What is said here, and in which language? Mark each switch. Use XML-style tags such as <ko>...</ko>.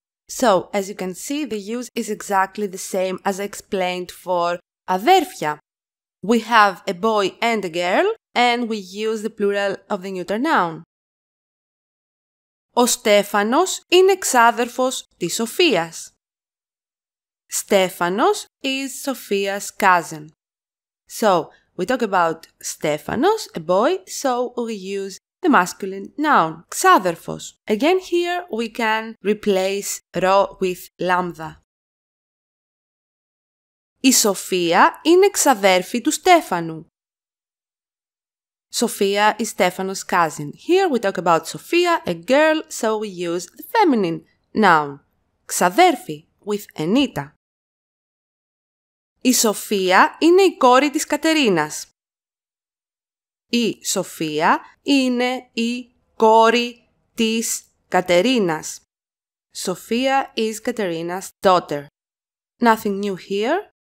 <en>So, as you can see, the use is exactly the same as I explained for αδέρφια. We have a boy and a girl, and we use the plural of the neuter noun.</en> <el>Ο Στέφανος είναι ξάδερφος της Σοφίας.</el> <en>Στέφανος is Sophia's cousin. So, we talk about Stefanos, a boy, so we use the masculine noun, ξάδερφος. Again here, we can replace ρο with λάμδα.</en> <el>Η Σοφία είναι ξαδέρφη του Στέφανου.</el> <en>Σοφία is Stefanos' cousin. Here we talk about Sophia, a girl, so we use the feminine noun, ξαδέρφη, with an ήτα.</en> <el>Η Σοφία είναι η κόρη της Κατερίνας. Η Σοφία είναι η κόρη της Κατερίνας.</el> <en>Sophia is Katerina's daughter. Nothing new here.</en>